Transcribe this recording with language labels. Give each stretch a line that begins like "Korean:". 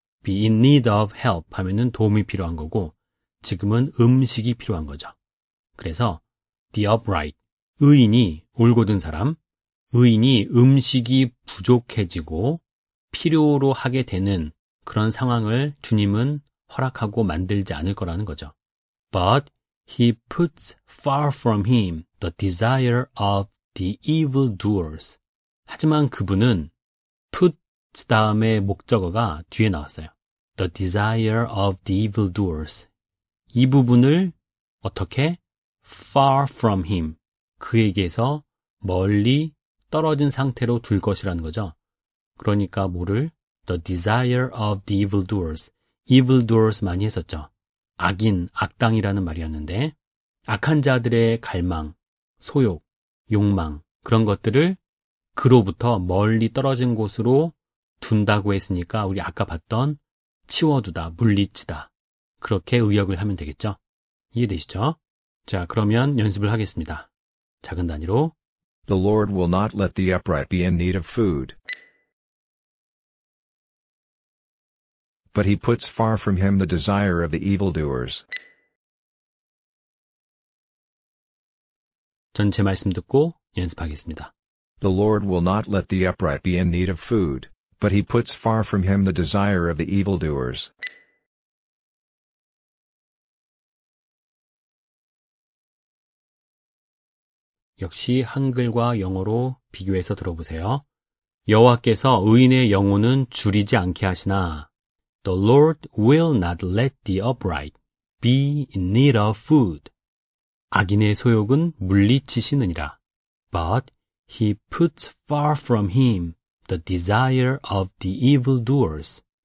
English: Be in need of help
Korean: 하면은 도움이 필요한 거고 지금은 음식이 필요한 거죠. 그래서 the upright, 의인이 올곧은 사람, 의인이 음식이 부족해지고 필요로 하게 되는 그런 상황을 주님은 허락하고 만들지 않을 거라는 거죠.
English: But he puts far from him the desire of the evildoers.
Korean: 하지만 그분은 put 다음에 목적어가 뒤에 나왔어요.
English: The desire of the evildoers.
Korean: 이 부분을 어떻게?
English: Far from him.
Korean: 그에게서 멀리 떨어진 상태로 둘 것이라는 거죠. 그러니까 뭐를?
English: The desire of the evildoers.
Korean: Evildoers 많이 했었죠. 악인, 악당이라는 말이었는데 악한 자들의 갈망, 소욕, 욕망 그런 것들을 그로부터 멀리 떨어진 곳으로 둔다고 했으니까 우리 아까 봤던 치워두다, 물리치다. 그렇게 의역을 하면 되겠죠? 이해되시죠? 자, 그러면 연습을 하겠습니다. 작은 단위로
English: The Lord will not let the upright be in need of food. But he puts far from him the desire of the evildoers.
Korean: 전체 말씀 듣고 연습하겠습니다.
English: The Lord will not let the upright be in need of food, but he puts far from him the desire of the evildoers.
Korean: 역시 한글과 영어로 비교해서 들어보세요. 여호와께서 의인의 영혼은 주리지 않게 하시나
English: The Lord will not let the upright be in need of food.
Korean: 악인의 소욕은 물리치시느니라.
English: But he puts far from him the desire of the evildoers.